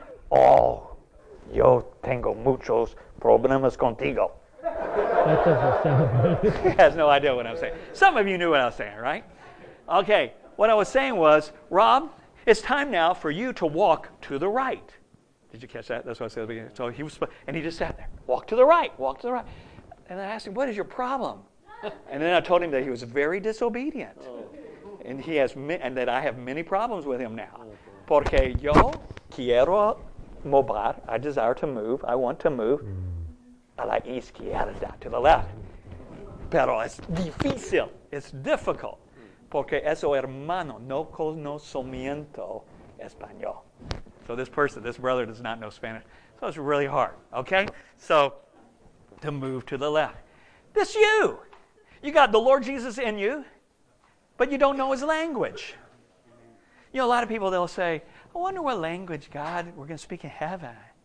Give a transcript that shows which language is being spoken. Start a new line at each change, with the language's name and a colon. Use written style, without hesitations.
Spanish: Oh, yo tengo muchos problemas contigo.
English: That doesn't sound right. He has no idea what I'm saying. Some of you knew what I was saying, right? Okay, what I was saying was, Rob, it's time now for you to walk to the right. Did you catch that? That's what I said at the beginning. So he was, and he just sat there. Walk to the right. Walk to the right. And I asked him, what is your problem? And then I told him that he was very disobedient. Oh. And he has and that I have many problems with him now. Oh,
Spanish: porque yo quiero mover.
English: I desire to move. I want to move.
Spanish: A la izquierda,
English: to the left.
Spanish: Pero es difícil.
English: It's difficult.
Spanish: Porque eso, hermano, no conocimiento español.
English: So this person, this brother, does not know Spanish. So it's really hard, okay? So to move to the left. This you. You got the Lord Jesus in you, but you don't know his language. You know, a lot of people, they'll say, I wonder what language, God, we're going to speak in heaven.